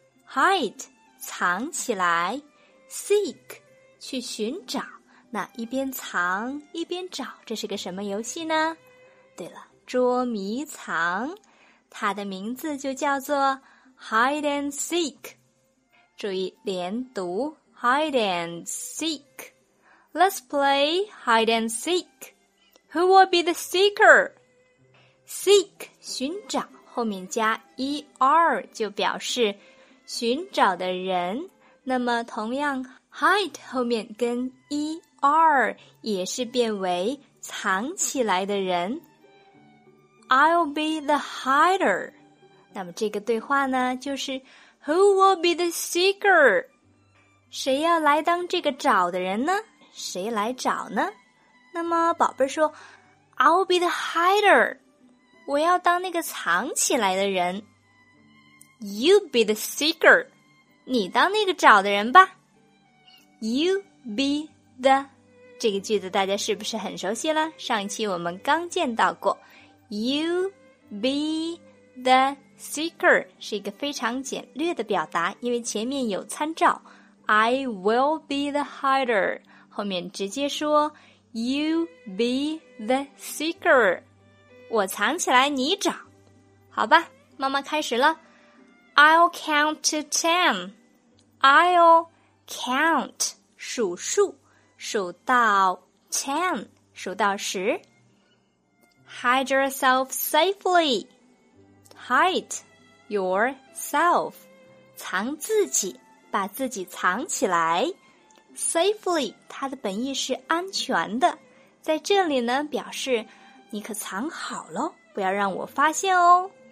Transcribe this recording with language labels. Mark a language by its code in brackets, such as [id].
[zh] Hide, 藏起来。Seek, 去寻找。那一边藏一边找，这是个什么游戏呢？对了，捉迷藏。它的名字就叫做 [en] Hide and seek. [zh] 注意连读 [en] Hide and seek. Let's play hide and seek. Who will be the seeker? [zh] Seek, 寻找，后面加 er 就表示寻找的人。那么同样 hide 后面跟 er 也是变为藏起来的人。 [en] I'll be the hider. [zh] 那么这个对话呢，就是 [en] Who will be the seeker? [zh] 谁要来当这个找的人呢？谁来找呢？那么宝贝说 [en] I'll be the hider. [zh] 我要当那个藏起来的人。 [en] You be the seeker. [zh] 你当那个找的人吧。 [en] You be the. [zh] 这个句子大家是不是很熟悉了？上一期我们刚见到过。 [en] You be the. [zh] Seeker 是一个非常简略的表达，因为前面有参照 [en] I will be the hider， [zh] 后面直接说 [en] You be the seeker， [zh] 我藏起来你找。好吧，妈妈开始了。 [en] I'll count to ten， I'll count [zh] 数数，数到 [en] ten [zh] 数到十。 [en] Hide yourself safelyHide yourself, [zh] 藏自己，把自己藏起来。 Safely, 它的本意是安全的。在这里呢，表示你可藏好了，不要让我发现哦。